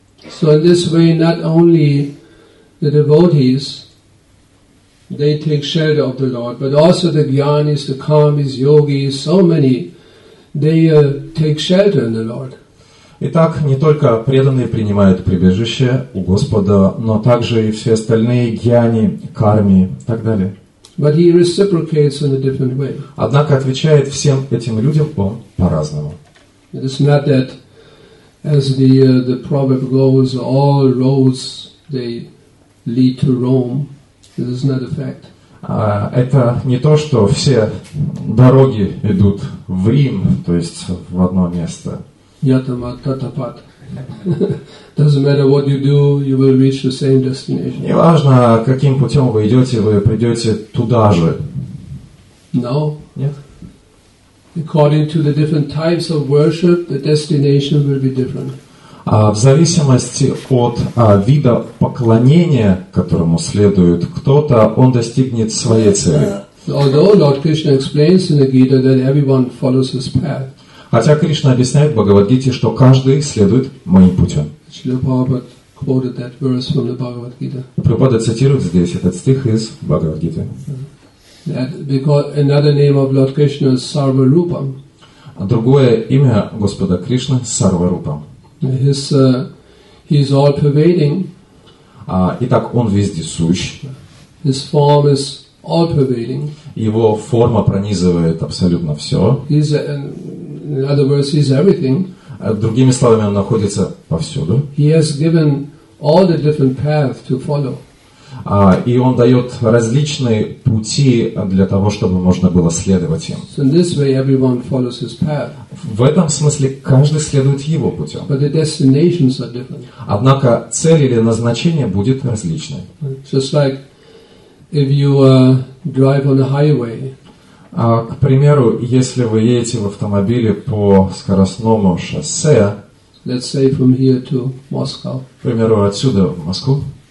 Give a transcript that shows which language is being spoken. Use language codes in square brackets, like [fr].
[en] So in this way, not only the devotees, they take shelter of the Lord, but also the jnanis, the kamis, yogis, so many, they take shelter in the Lord. [ru] Итак, не только преданные принимают прибежище у Господа, но также и все остальные гьяни, карми и так далее. [en] But he reciprocates in a different way. [ru] Однако отвечает всем этим людям он по-разному. [en] It is not that, as the proverb goes, all roads they lead to Rome. This is not a fact. [ru] Это не то, что все дороги идут в Рим, то есть в одно место. Неважно, каким путем вы идете, вы придете туда же. [en] No. [ru] Нет. [en] According to the different types of worship, the destination will be different. [ru] В зависимости от вида поклонения, которому следует кто-то, он достигнет своей цели. [en] Although Lord Krishna explains in the Gita that everyone follows his path. [ru] Хотя Кришна объясняет в Бхагавад-гите, что каждый следует моим путем. Прабхупада цитирует здесь этот стих из Бхагавад-гиты. [en] Another name of Lord Krishna is Sarvarupam. [ru] Другое имя Господа Кришны – Сарварупам. [en] He is all-pervading. [ru] Итак, он вездесущ. [en] His form is all-pervading. [ru] Его форма пронизывает абсолютно все. [en] In other words, he's everything. [ru] Другими словами, он находится повсюду. [en] He has given all the different paths to follow. [ru] И он дает различные пути для того, чтобы можно было следовать им. [en] So in this way, everyone follows his path. [ru] В этом смысле каждый следует его путем. [en] But the destinations are different. [ru] Однако цель или назначение будет различной. [en] Just like if you drive on a highway. [ru] К примеру, если вы едете в автомобиле по скоростному шоссе, [en] let's say from here to Moscow. [ru] К примеру, отсюда в Москву.